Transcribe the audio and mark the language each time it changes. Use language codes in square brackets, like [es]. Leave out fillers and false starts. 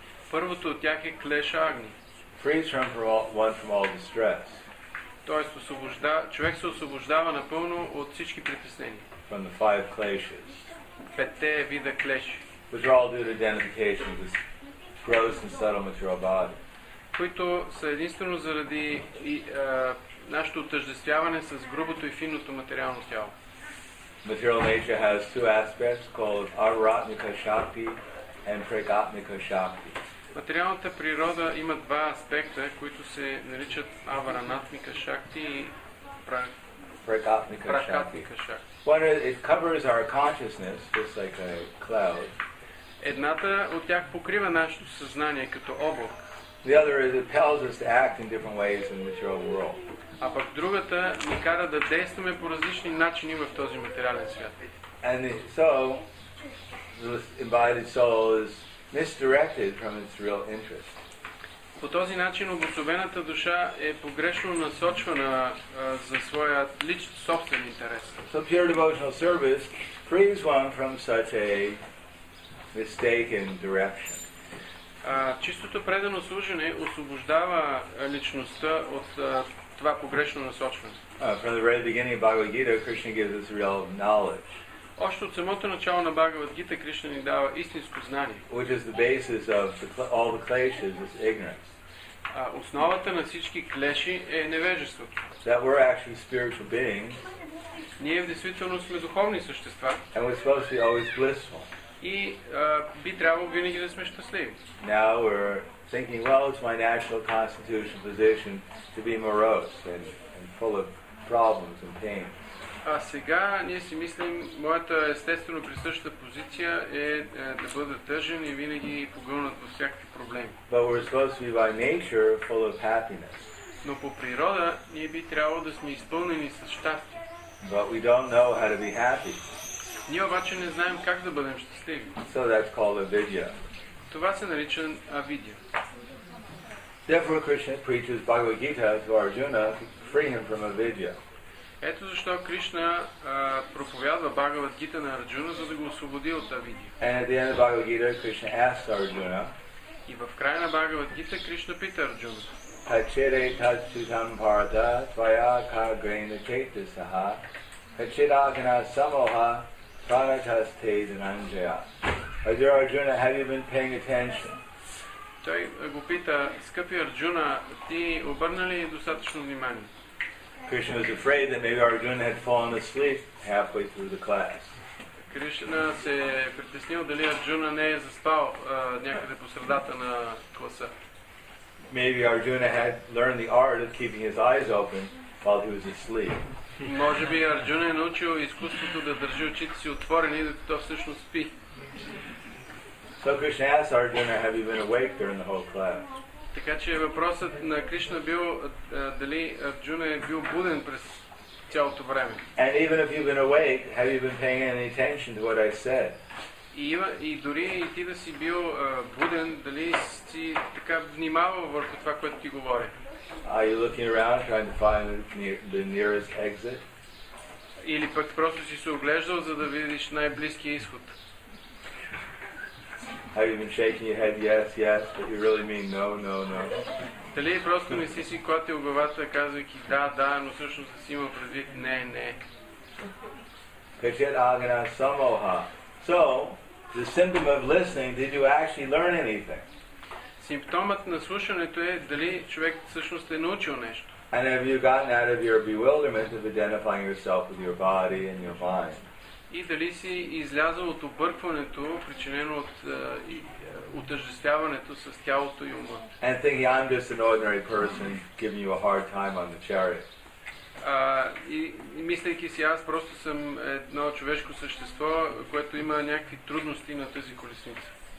[bg] Първото от тях е Клеша Агни. [en] Frees one from all distress. [bg] Тоест човек се освобождава напълно от всички притеснения. [en] From the five kleshas. [bg] Петте вида клеши. [en] Which are all due to identification with this gross and subtle material body. [bg] Които са единствено заради нашето отъждествяване с грубото и финното материално тяло. [en] Material nature has two aspects called aratmika shakti and pragatmika shakti. [bg] Материалната природа има два аспекта, които се наричат аваранатмика шакти и прагатмика шакти. [en] One is, it covers our consciousness just like a cloud. [bg] Едната от тях покрива нашето съзнание като облак. [en] The other is it tells us to act in different ways in the material world. [bg] А пък другата ни кара да действаме по различни начини в този материален свят. [en] And so the embodied soul is misdirected from its real interest. [bg] По този начин обособената душа е погрешно насочвана за своя личен собствен интерес. [en] So pure devotional service frees one from such a mistaken direction. [bg] Чистото предано служене освобождава личността от това погрешно насочване. [en] From the very beginning of Bhagavad Gita, Krishna gives us real knowledge. [bg] Още от самото начало на Бхагавад Гита Кришна ни дава истинско знание. [en] Which is the basis of all the kleshas is ignorance. [bg] Основата на всички клеши е невежеството. [en] That we're actually spiritual beings. [bg] Ние в действителност сме духовни същества. [en] And we're supposed to be always blissful. [bg] И би трябвало винаги да сме щастливи. [en] Now we're thinking, well, it's my natural constitution position to be morose and full of problems and pain. [bg] А сега ние си мислим, моята естествено присъща позиция е да бъда тъжен и винаги погълнат във всякакви проблеми. [en] But we're supposed to be by nature full of happiness. [bg] Но по природа ние би трябвало да сме изпълнени с щастие. [en] But we don't know how to be happy. [bg] Ние обаче не знаем как да бъдем щастливи. [en] So that's called avidya. [bg] Това се нарича авидия. [en] Therefore Krishna preaches Bhagavad Gita to Arjuna to free him from avidya. [bg] Ето защо Кришна проповядва Бхагавад Гита на Арджуна, за да го освободи от авидия. [en] And at the end of Bhagavad Gita, Krishna asks Arjuna. [bg] И в края на Бхагавад Гита Кришна пита Арджуна. [sa] Качире тачитам парда, твая кагрена кетасаха, качирагана самоха, пранатас те дананджая. [en] Арджуна, have you been paying attention? [bg] Той го пита, скъпи Арджуна, ти обърна ли достатъчно внимание? [en] Krishna was afraid that maybe Arjuna had fallen asleep halfway through the class. [bg] Krishna се притеснил дали Арджуна не е заспал някъде по средата на класа. [en] Maybe Arjuna had learned the art of keeping his eyes open while he was asleep. [bg] Може би Арджуна е научил изкуството да държи очите си отворени докато всъщност спи. [en] So Krishna asked Arjuna, have you been awake during the whole class? [bg] Така че въпросът на Кришна бил дали Арджуна е бил буден през цялото време. [en] And even if you've been awake, have you been paying any attention to what I said? [bg] И дори и ти да си бил буден, дали си така внимавал върху това, което ти говоря? [en] Are you looking around trying to find the nearest exit? [bg] Или пък просто си се оглеждал, за да видиш най-близкия изход? [en] Have you been shaking your head? Yes, yes, but you really mean no, no, no. [bg] Дали просто не си си клатил главата, казвайки да, да, но всъщност си имал предвид не, не. [sa] Kachet agana samoha. [en] So, the symptom of listening, did you actually learn anything? [bg] Симптомът на слушането е дали човек всъщност е научил нещо. [en] And have you gotten out of your bewilderment of identifying yourself with your body and your mind? [bg] И дали си излязъл от объркването, причинено от отъждествяването с тялото и ума. [en] And thinking I'm just an ordinary person giving you a hard time on the chariot. [bg] И мислейки си аз просто съм едно човешко същество, което има някакви трудности на тази колесница.